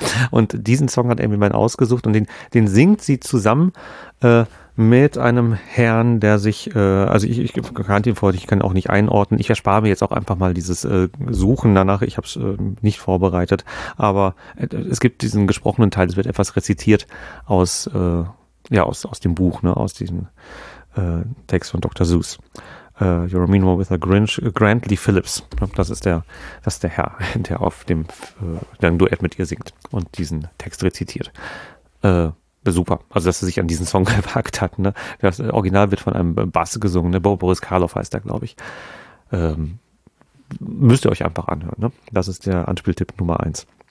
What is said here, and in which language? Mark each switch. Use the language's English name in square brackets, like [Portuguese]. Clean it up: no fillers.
[German] Und diesen Song hat Amy Mann ausgesucht und den singt sie zusammen mit einem Herrn, der sich, also ich kannte ihn vorher, ich kann auch nicht einordnen. Ich erspare mir jetzt auch einfach mal dieses Suchen danach. Ich habe es nicht vorbereitet, aber es gibt diesen gesprochenen Teil. Es wird etwas rezitiert aus ja aus dem Buch, ne, aus diesem Text von Dr. Seuss. [English] You're a mean one with a Grinch, Grantley Phillips. [German] Das ist der Herr, der auf dem der ein Duett mit ihr singt und diesen Text rezitiert. Super, also dass er sich an diesen Song gewagt hat. Ne? Das Original wird von einem Bass gesungen, ne? Boris Karloff heißt er, glaube ich. Müsst ihr euch einfach anhören. Ne? Das ist der Anspieltipp Nummer 1.